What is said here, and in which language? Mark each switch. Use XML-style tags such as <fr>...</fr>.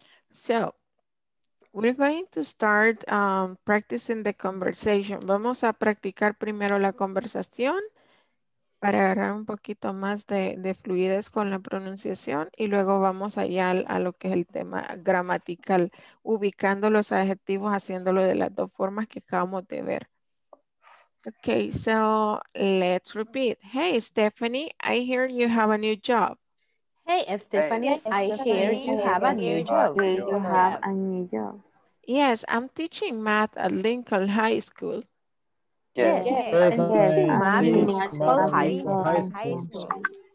<en>So, we're going to start practicing the conversation.</en> <es>Vamos a practicar primero la conversación para agarrar un poquito más de fluidez con la pronunciación y luego vamos allá a lo que es el tema gramatical, ubicando los adjetivos, haciéndolo de las dos formas que acabamos de ver.</es> <en>Okay, so let's repeat. Hey, Stephanie, I hear you have a new job. Hey, Stephanie, I hear you have a new job. You have a new job. Yes, I'm teaching math at Lincoln High School. Yes, I'm teaching math at Lincoln High School.</en>